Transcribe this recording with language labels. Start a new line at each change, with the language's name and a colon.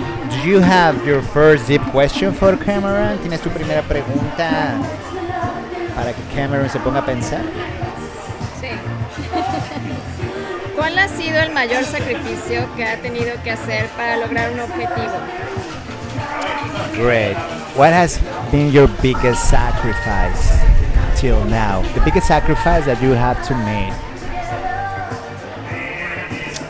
English: Do you have your first deep question for Cameron?
Spanish: ¿Tienes tu primera pregunta para que Cameron se ponga a pensar? Sí. ¿Cuál ha sido el mayor sacrificio que ha tenido que hacer para lograr un objetivo?
English: Great. What has been your biggest sacrifice till now? The biggest sacrifice that you have to make?